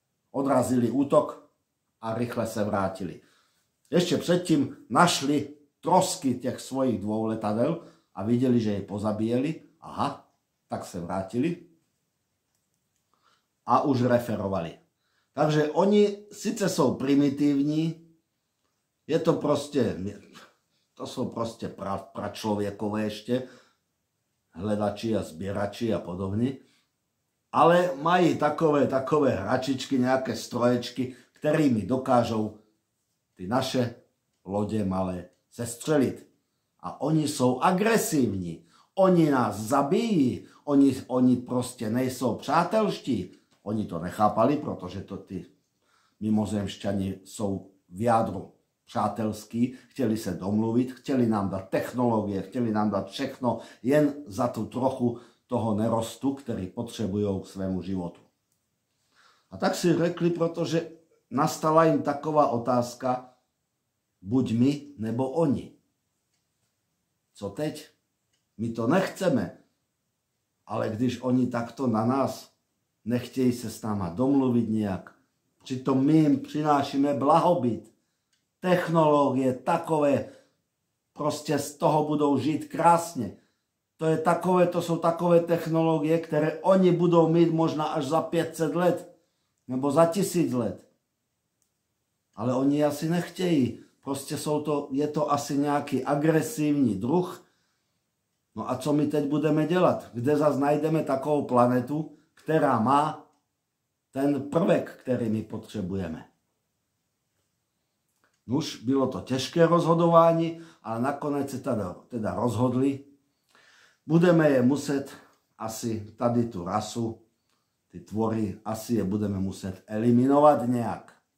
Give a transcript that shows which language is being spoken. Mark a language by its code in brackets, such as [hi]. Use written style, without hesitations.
[cs] Odrazili útok a rychle se vrátili. Ještě předtím našli trosky těch svojich dvou letadel a viděli, že je pozabíjeli. Aha, tak se vrátili a už referovali. Takže oni sice jsou primitivní, je to prostě... [sk] To sú proste pračlovekové ešte, hledači a zbierači a podobne. Ale [cs] mají takové hračičky, [sk] nejaké stroječky, ktorými dokážou ty naše lode malé sestřeliť. [cs] A [sk] oni sú agresívni, [cs] oni nás zabijí, oni proste nejsou přátelští. [sk] Oni to nechápali, pretože to ty mimozemšťani sú v jádru. [cs] Přátelský, chtěli se domluvit, chtěli nám dát technologie, chtěli nám dát všechno jen za tu trochu toho nerostu, který potřebují k svému životu. A tak si řekli, protože nastala jim taková otázka, buď my, nebo oni. Co teď? My to nechceme. Ale když oni takto na nás nechtějí se s náma domluvit nějak, přitom my jim přinášíme blahobyt. [sk] Technológie takové, proste z toho budú žiť krásne. To je takové, to sú takové technológie, ktoré oni budú mít možno až za 500 let, [cs] nebo za 1000 let. Ale oni asi nechtějí. [sk] Proste sú to, je to asi nejaký agresívny druh. [cs] No a co my teď budeme dělat? Kde zase najdeme takovou planetu, [sk] ktorá má ten prvek, ktorý my potrebujeme? [cs] Nuž, bylo to těžké rozhodování, ale nakonec se teda rozhodli. Budeme je muset asi tady tu rasu, ty tvory, asi je budeme muset eliminovat nějak.